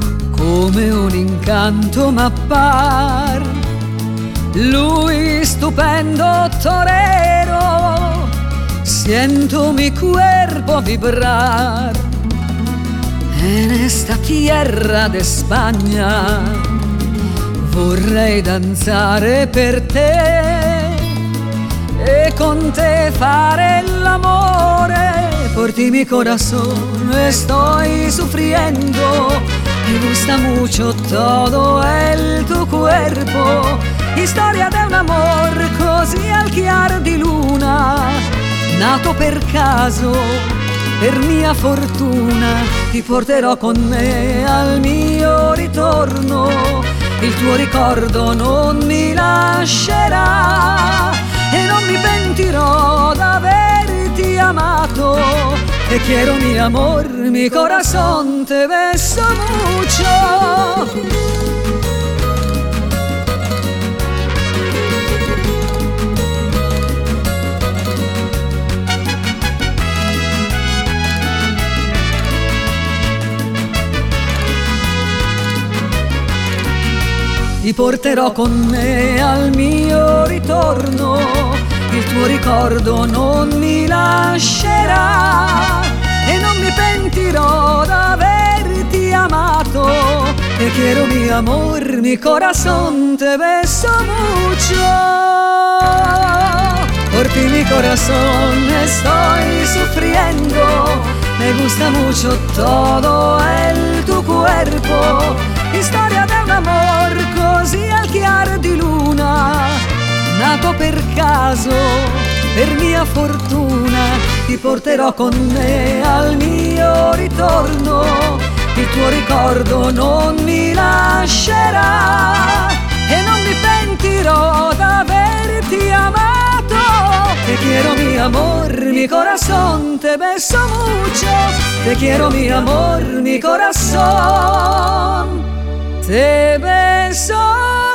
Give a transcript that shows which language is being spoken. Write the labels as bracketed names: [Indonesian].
[Italian] Come un incanto m'appar lui stupendo torero, [Spanish] sientomi cuerpo vibrar en esta tierra de España. [Italian] Vorrei danzare per te e con te fare l'amore. [Spanish] Por ti mi corazón estoy sufriendo, me gusta mucho todo el tu cuerpo. Historia de un amor [Italian] così al chiar di luna, nato per caso, per mia fortuna. Ti porterò con me al mio ritorno, il tuo ricordo non mi lascerà e non mi pentirò d'averti amato. [Spanish] Te quiero mi amor, mi corazón te beso mucho. [Italian] Ti porterò con me al mio ritorno, il tuo ricordo non mi lascerà e non mi pentirò d'averti amato. [Spanish] Te quiero mi amor, mi corazón te beso mucho. Por ti mi corazón estoy sufriendo, me gusta mucho todo el tu cuerpo. Historia de un amor [Italian] così al chiar di luna, nato per caso, per mia fortuna. Ti porterò con me al mio ritorno, il tuo ricordo non mi lascerà e non mi pentirò d'averti amato. [Spanish] Te quiero mi amor, mi corazón te beso mucho. Te quiero mi amor, mi corazón te beso mucho.